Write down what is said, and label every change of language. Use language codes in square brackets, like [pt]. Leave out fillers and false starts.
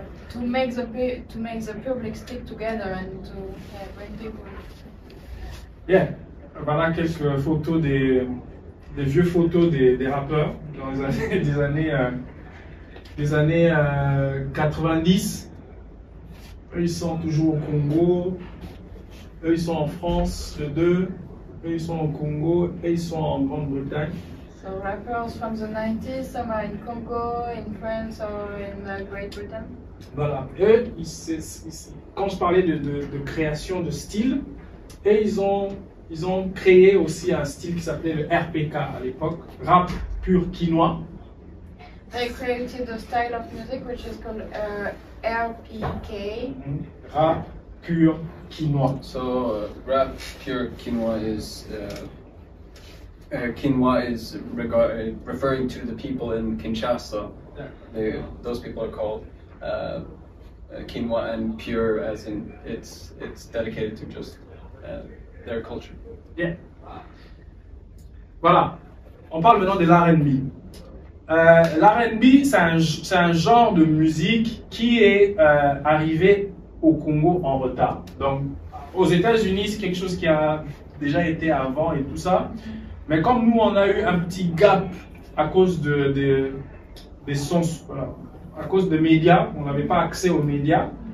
[en] To make the public stick together and to bring people. [fr] Yeah, voilà quelques photos des vieux photos des rappeurs dans les années des années 90. Ils sont toujours au Congo. Eux, ils sont en France, les deux. Et ils sont au Congo et ils sont en Grande-Bretagne. [en] So rappers from the 90s, some are in Congo, in France or in Great Britain. Voilà. [fr] Et quand je parlais de création de style, et ils ont créé aussi un style qui s'appelait le RPK à l'époque, rap pur quinois. [en] They created a style of music which is called RPK. Mm-hmm. Rap pure quinoa. So rap pure quinoa is quinoa is referring to the people in Kinshasa. Yeah. Those people are called quinoa, and pure as in it's dedicated to just their culture. [fr] Yeah. Voilà. On parle maintenant de l'R&B. L'R&B c'est un genre de musique qui est arrivé au Congo en retard. Donc, aux États-Unis, c'est quelque chose qui a déjà été avant et tout ça. Mais comme nous, on a eu un petit gap à cause des sons, voilà, à cause des médias, on n'avait pas accès aux médias.